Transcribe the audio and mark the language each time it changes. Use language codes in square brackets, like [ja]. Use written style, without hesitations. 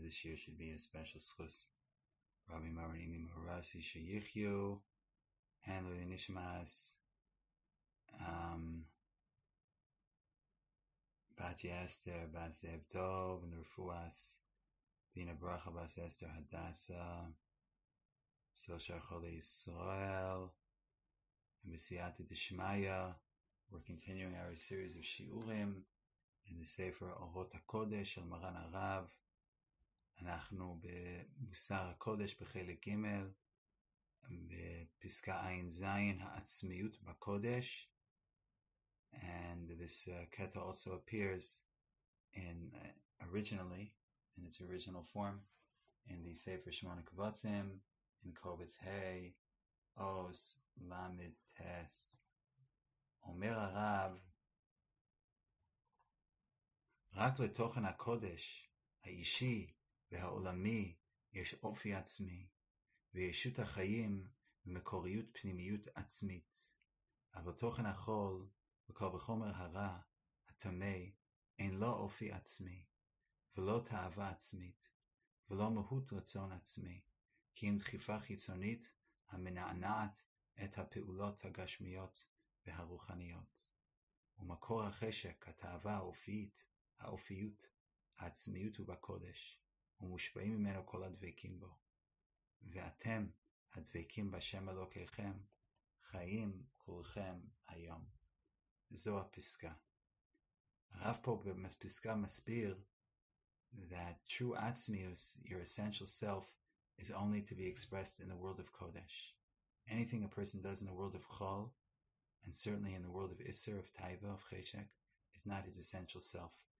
[en] This year should be a special schus. Rabbi Maron Imi Morasi Sheyichyu, Handler Yenishmas, Bat Yester, Bat Zev Dov, Nerfuas, Dina Bracha, Bat Esther Hadassa, Sosha Choli Israel, and Mesiata Deshmaya. We're continuing our series of Shiurim. In the [he] Sefer Orot HaKodesh al Maran Arav, אנחנו במוסר הקודש בחלק ג' בפסקה עין זין, העצמיות בקודש. [en] And this keta also appears in originally, in its original form, in the Sefer Shemona Kvotzim, in Kovitz Hei, Os Lamed Tes. [he] Omer Arav, רק לתוכן הקודש, האישי והעולמי, יש אופי עצמי, וישות החיים ומקוריות פנימיות עצמית. אבל תוכן החול, וכל בחומר הרע, התמי, אין לא אופי עצמי, ולא תאווה עצמית, ולא מהות רצון עצמי, כי אם דחיפה חיצונית המנענעת את הפעולות הגשמיות והרוחניות. ומקור החשק, התאווה האופיית, האופיות, העצמיות הוא בקודש, ומושפעים ממנו כל הדבקים בו. ואתם, הדבקים בשם אלוקיכם, חיים כולכם היום. זו הפסקה. הרב פה בפסקה מסביר [en] that true עצמיות, your essential self, is only to be expressed in the world of Kodesh. Anything a person does in the world of Chol, and certainly in the world of Isser, of Taiva, of Cheshek, is not his essential self.